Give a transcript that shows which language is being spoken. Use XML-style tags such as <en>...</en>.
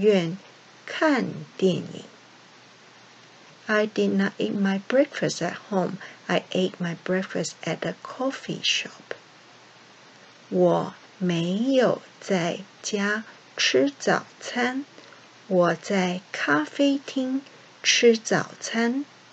<zh>我们今天晚上7点去电影院看电影。</zh> <en>I did not eat my breakfast at home. I ate my breakfast at a coffee shop.</en> <zh>我没有在家吃早餐。我在咖啡厅吃早餐。</zh>